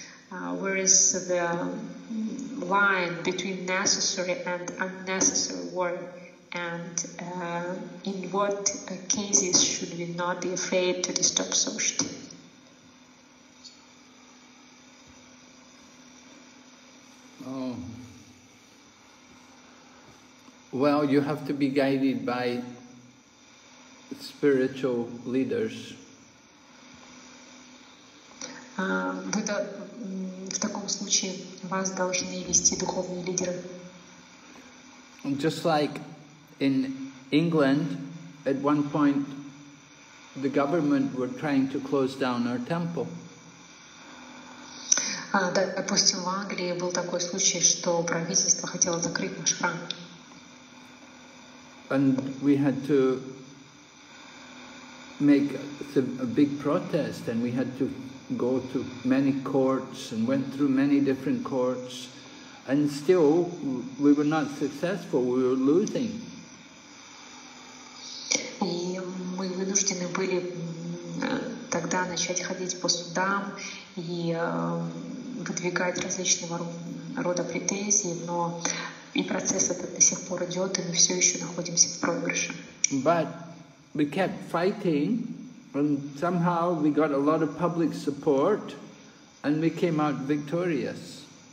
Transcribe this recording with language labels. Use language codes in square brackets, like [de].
[en] Whereas the line between necessary and unnecessary work, and in what cases should we not be afraid to disturb society? Oh. Well, you have to be guided by spiritual leaders. [ru] В таком случае вас должны вести духовные лидеры. [en] Just like in England, at one point the government were trying to close down our temple. [ru] Допустим, в Англии был такой случай, что правительство хотело закрыть наш храм. [en] And we had to make a big protest, and we had to go to many courts and went through many different courts, and still we were not successful, we were losing. [ru] И мы вынуждены были тогда начать ходить по судам и выдвигать различного рода претензии, но и процесс этот до сих пор идет, и мы все еще находимся в проигрыше. [en] But we kept fighting. And somehow we got a lot of public support, and we came out victorious.